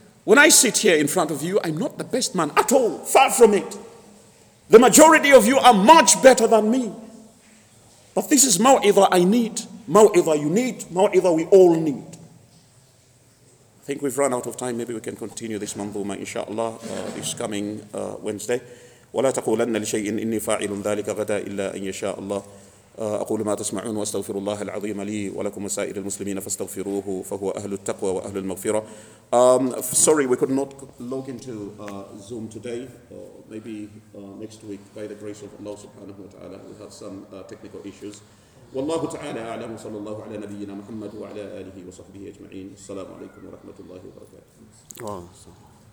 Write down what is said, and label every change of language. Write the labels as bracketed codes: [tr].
[en] When I sit here in front of you, I'm not the best man at all. Far from it. The majority of you are much better than me. But this is mawidha I need, mawidha you need, mawidha we all need. I think we've run out of time. Maybe we can continue this manzuma, inshallah, this coming Wednesday. [ar] ولا تقولن لشيء إني فاعل ذلك غدا إلا أن يشاء الله أقول ما تسمعون وأستغفر الله العظيم لي ولكم وسائر المسلمين فاستغفروه فهو أهل التقوى وأهل المغفرة. [en] Sorry, we could not log into Zoom today. Maybe next week, by the grace of Allah subhanahu wa ta'ala, we have some technical issues. [ar] والله تعالى أعلم صلى الله على نبينا محمد وعلى آله وصحبه أجمعين. السلام عليكم ورحمة الله وبركاته.